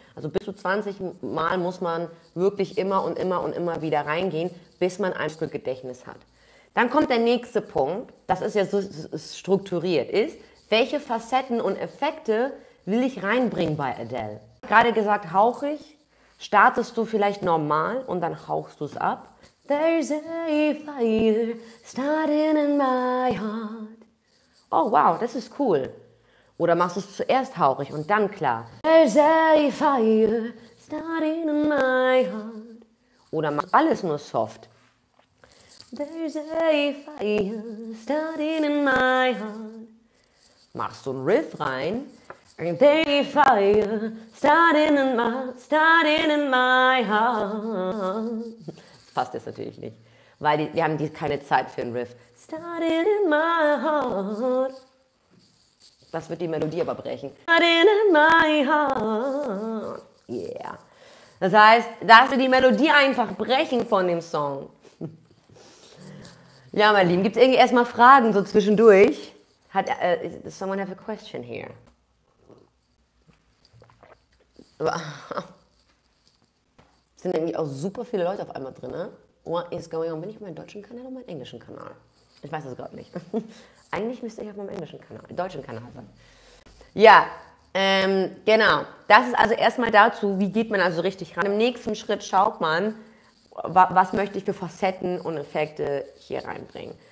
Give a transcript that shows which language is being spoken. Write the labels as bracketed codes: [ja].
[de] Also bis zu 20 Mal muss man wirklich immer und immer und immer wieder reingehen, bis man ein Muskelgedächtnis hat. Dann kommt der nächste Punkt, das ist ja so strukturiert, ist, welche Facetten und Effekte will ich reinbringen bei Adele? Gerade gesagt, hauchig, startest du vielleicht normal und dann hauchst du es ab. [en] There's a fire starting in my heart. [de] Oh wow, das ist cool. Oder machst du es zuerst hauchig und dann klar. [en] There's a fire starting in my heart. [de] Oder machst alles nur soft. [en] There's a fire starting in my heart. [de] Machst du einen Riff rein. [en] There's a fire starting in my heart. [de] Passt jetzt natürlich nicht, weil wir haben keine Zeit für einen Riff. [en] Starting in my heart. [de] Das wird die Melodie aber brechen. [en] Starting in my heart. [de] Yeah. Das heißt, das wird die Melodie einfach brechen von dem Song. Ja, meine Lieben, gibt es irgendwie erstmal Fragen so zwischendurch? [en] Does someone have a question here? [de] Es sind irgendwie auch super viele Leute auf einmal drin, ne? [en] What is going on? [de] Bin ich auf meinem deutschen Kanal oder meinem englischen Kanal? Ich weiß es gerade nicht. Eigentlich müsste ich auf meinem englischen Kanal, deutschen Kanal sein. Ja, genau. Das ist also erstmal dazu, wie geht man also richtig ran. Im nächsten Schritt schaut man, was möchte ich für Facetten und Effekte hier reinbringen.